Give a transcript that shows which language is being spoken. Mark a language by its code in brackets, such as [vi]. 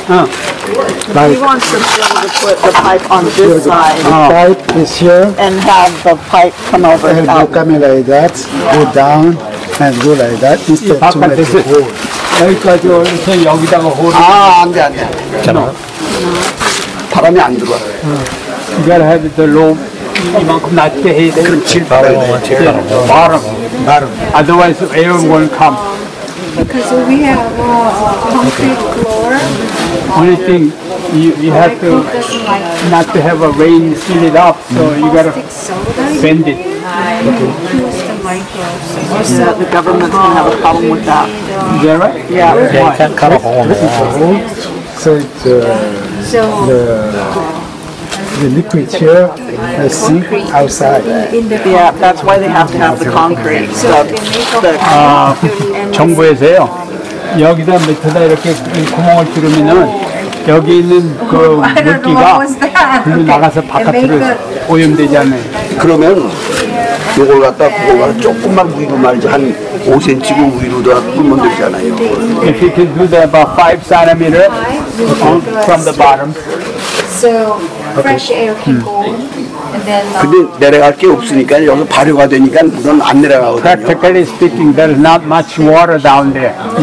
[en] He wants to be able to put the pipe on this side. The pipe is here. And have the pipe come over and go coming like that, go down. And do like that instead to make the hole. [ko] 여기까지 올려서 여기다가 홀을 아, 안 돼, 안 돼. 괜찮아. 바람이 안 들어와. [en] You gotta have the low, [ko] 이만큼 낮게 해야 돼. 그럼 질 바람이 안돼 바람. [en] Otherwise, air won't come. Because we have concrete floor. Only thing, you have to, not to have a rain seal it up, so you gotta bend it. The government's gonna have a problem with that. Is that right? Yeah. Yeah, you can't cut a hole. This is a hole. So the liquid here, the sink outside. Yeah, that's why they have to have the concrete. So the [ko] 정부에서요. 여기다 밑에다 이렇게 구멍을 뚫으면은 여기 있는 그 물기가 [en] okay. [ko] 나가서 바깥으로 오염되지 않아요. 그러면 요걸 갖다 그걸 갖다 조금만 위로 말이지 한 5cm 위로 다 뿌리면 되지 않아요. [en] If you can do that about 5 cm okay. from the bottom. So fresh air can go in. And then, [ko] 근데 내려갈 게 없으니까 여기 발효가 되니까 물은 안 내려가거든요. [en] Practically speaking, there is not much water down there.